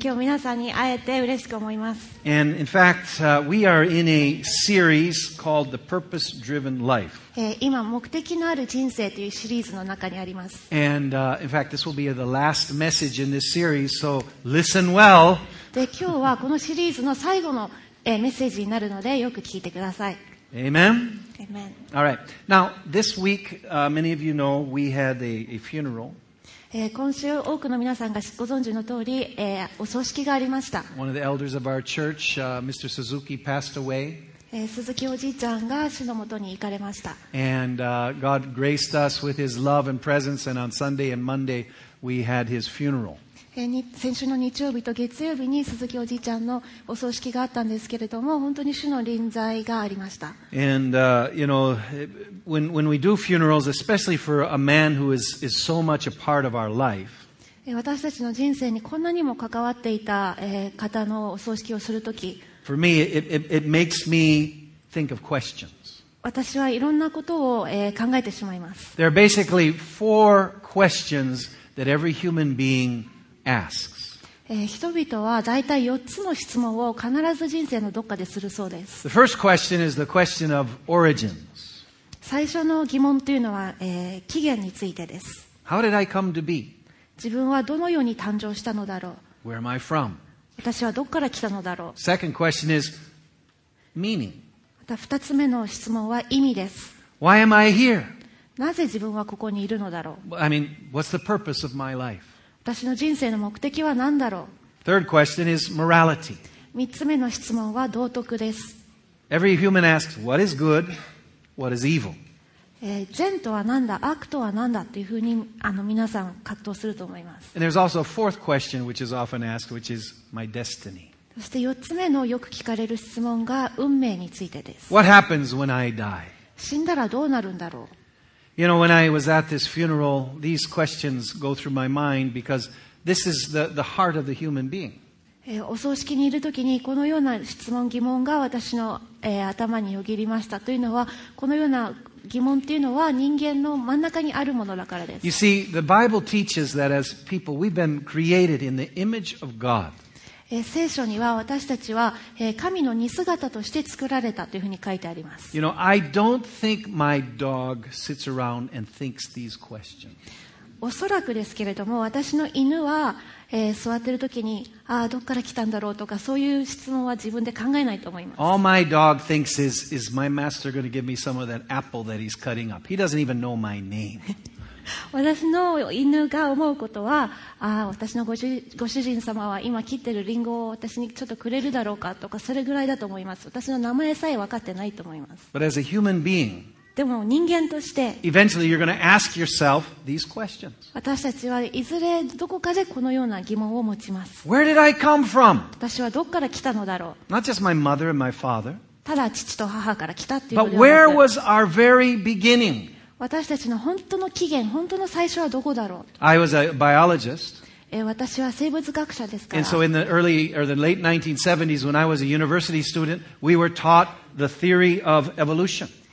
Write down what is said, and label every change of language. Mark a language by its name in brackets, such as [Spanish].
[Japanese] 今日皆さんに会えて嬉しく思います。 [English] And in fact, we are in a series called The Purpose-Driven Life. [Japanese] 今、目的のある人生というシリーズの中にあります。 [English] And in fact, this will be the last message in this series, so listen well. [Japanese] で、今日はこのシリーズの最後のメッセージになるので、よく聞いてください。 [English] Amen. Amen. All right. Now, this week, many of you know, we had a funeral. [Japanese] 今週多くの皆さんがご存知の通り、お葬式がありました。 [English] One of the elders of our church, Mr. Suzuki passed away. [Japanese] 鈴木おじいちゃんが主のもとに行かれました。 [English] And God graced us with His love and presence, and on Sunday and Monday we had His funeral. [Japanese] 先週の日曜日と月曜日に鈴木おじいちゃんのお葬式があったんですけれども、本当に主の臨在がありました。 [English] And, you know, when we do funerals, especially for a man who is so much a part of our life, [Japanese] 私たちの人生にこんなにも関わっていた方のお葬式をするとき、 [English] for me, it makes me think of questions. [Japanese] 私はいろんなことを、考えてしまいます。 [English] There are basically four questions that every human being asks. [Japanese] 人々は大体4つの質問を必ず人生のどっかでするそうです。 [English] The first question is the question of origins. [Japanese] 最初の疑問というのは、起源についてです。 [English] How did I come to be? [Japanese] 自分はどのように誕生したのだろう。 [English] Where am I from? [Japanese] 私はどっから来たのだろう。 [English] Second question is meaning. [Japanese] 二つ目の質問は意味です。 [English] Why am I here? [Japanese] なぜ自分はここにいるのだろう。 [English] I mean, what's the purpose of my life? [Japanese] 私の人生の目的は何だろう。 [English] Third question is morality. [Japanese] 三つ目の質問は道徳です。 [English] Every human asks, what is good? What is evil? [Japanese] 善とは何だ、悪とは何だというふうに皆さん葛藤すると思います。 [English] And there's also a fourth question which is often asked, which is my destiny. [Japanese] そして4つ目のよく聞かれる質問が運命についてです。 [English] What happens when I die? [Japanese] 死んだらどうなるんだろう。 [English] You know, when I was at this funeral, these questions go through my mind because this is the heart of the human being. [Japanese] お葬式にいるときにこのような質問疑問が私の、頭によぎりましたというのはこのような疑問というのは人間の真ん中にあるものだからです。 [English] You see, the Bible teaches that as people, we've been created in the image of God. [Japanese] 聖書には私たちは神の似姿として作られたというふうに書いてあります。 [English] You know, I don't think my dog sits around and thinks these questions. [Japanese] おそらくですけれども、私の犬は座っているときに、ああ、どっから来たんだろうとか、そういう質問は自分で考えないと思います。 [English] All my dog thinks is, is my master going to give me some of that apple that he's cutting up? He doesn't even know my name. [Japanese] 私の犬が思うことは、ああ、私のご主人様は今切ってるリンゴを私にちょっとくれるだろうかとか、それぐらいだと思います。私の名前さえ分かってないと思います。 [English] But as a human being, [Japanese] でも人間として、 [English] eventually you're going to ask yourself these questions. [Japanese] 私たちはいずれどこかでこのような疑問を持ちます。 [English] Where did I come from? [Japanese] 私はどこから来たのだろう。 [English] Not just my mother and my father, [Japanese] ただ父と母から来たっていうのは、 [English] But where was our very beginning? [Japanese] 私たちの本当の起源、本当の最初はどこだろう。 [English] I was a biologist. [Japanese] 私は生物学者ですから。 [English] And so in the early or the late 1970s, when I was a university student, we were taught the theory of evolution.